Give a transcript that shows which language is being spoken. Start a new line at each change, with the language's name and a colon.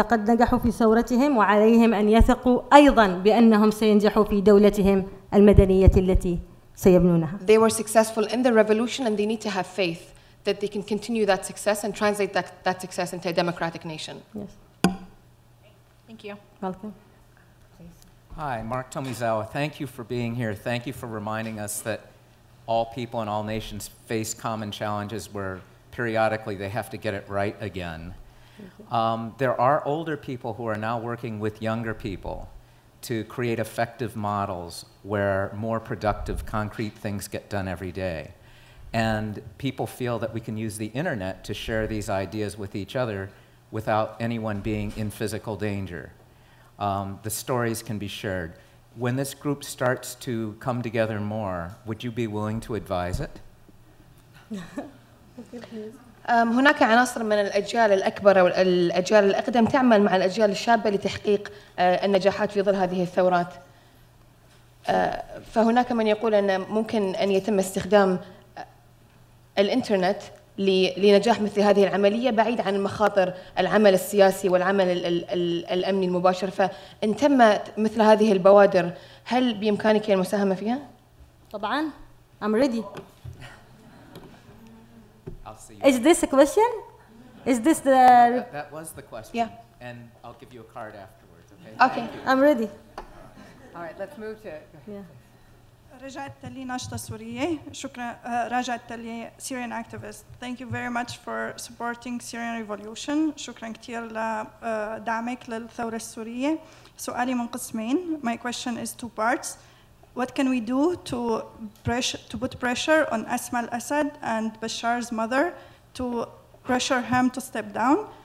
Arabic: لقد نجحوا في ثورتهم وعليهم أن يثقوا أيضا بأنهم سينجحوا في دولتهم المدنية التي سيبنونها.
English: They were successful in the revolution and they need to have faith that they can continue that success and translate that success into a democratic nation. Yes. Thank you. Welcome. Hi, Mark Tomizawa. Thank you for being here. Thank you for reminding us that all people and all nations face common challenges where periodically they have to get it right again. There are older people who are now working with younger people to create effective models where more productive, concrete things get done every day. And people feel that we can use the internet to share these ideas with each other without anyone being in physical danger. The stories can be shared. When this group starts to come together more, would you be willing to advise it?
Arabic: هناك عناصر من الأجيال الأكبر والأجيال الأقدم تعمل مع الأجيال الشابة لتحقيق النجاحات في ظل هذه الثورات. فهناك من يقول أن ممكن أن يتم استخدام الإنترنت لنجاح مثل هذه العملية بعيد عن مخاطر العمل السياسي والعمل الأمني المباشر فإن تم مثل هذه البوادر هل بإمكانك المساهمة فيها؟ طبعاً
English: I'm ready. Is this a question? Is this the... That was the question. Yeah. And I'll give you a card afterwards, okay? Okay, I'm ready. All right, let's move to it. Yeah.
Arabic: رجعت لي ناشطة سورية شكرا رجعت لي
English: Syrian activist thank you very much for supporting Syrian revolution
Arabic: شكرا كتير لدعمك للثورة السورية سؤالي من قسمين
English: my question is two parts what can we do to put pressure on Asma al-Assad and Bashar's mother to pressure him to step down